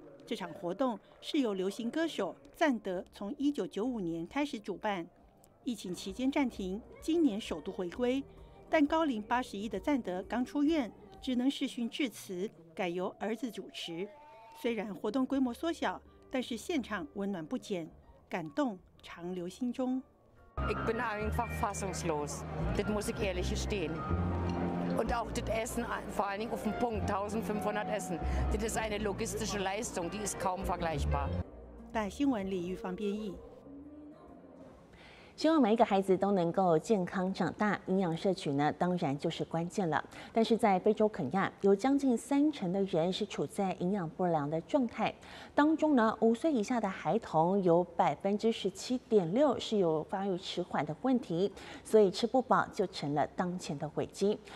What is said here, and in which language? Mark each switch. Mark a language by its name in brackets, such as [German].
[Chinese] 这场活动是由流行歌手赞德从1995年开始主办，疫情期间暂停，今年首度回归。但高龄81的赞德刚出院，只能视讯致辞，改由儿子主持。虽然活动规模缩小，但是现场温暖不减，感动长留心中。 [German] Ich bin einfach fassungslos. Das muss ich ehrlich gestehen. Und auch das Essen, vor allen Dingen auf dem Punkt, 1500 Essen. Das ist eine logistische Leistung, die ist kaum vergleichbar. [Chinese] 但新闻领域方便译。希望每一个孩子都能够健康长大，营养摄取呢，当然就是关键了。但是在非洲肯亚，有将近三成的人是处在营养不良的状态，当中呢，五岁以下的孩童有17.6%是有发育迟缓的问题，所以吃不饱就成了当前的危机。